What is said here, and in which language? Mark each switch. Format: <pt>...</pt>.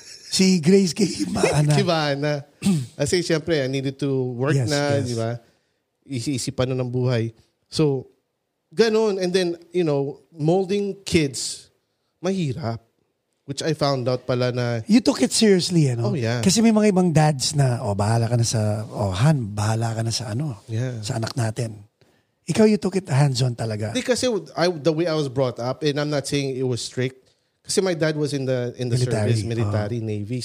<tl>Si Grace kay Maana. Si Maana. Kasi siyempre,</tl> <en>I needed to work,</en> <tl>yes, na, yes, di ba? Isipan na ng buhay. So, ganun.</tl> <en>And then, you know, molding kids,</en> <tl>mahirap.</tl> <en>Which I found out</en> <tl>pala na...</tl> <en>You took it seriously, you know? Oh, yeah.</en> <tl>Kasi may mga ibang dads na, oh,</tl> <en>bahala ka na sa,</en> <tl>oh, Han, bahala ka na sa ano,</tl> <en>yeah,</en> <tl>sa anak natin. Ikaw,</tl> <en>you took it hands-on talaga. Because the way I was brought up, and I'm not saying it was strict,</en> <tl>kasi</tl> <en>my dad was in the military service, military, Navy.</en>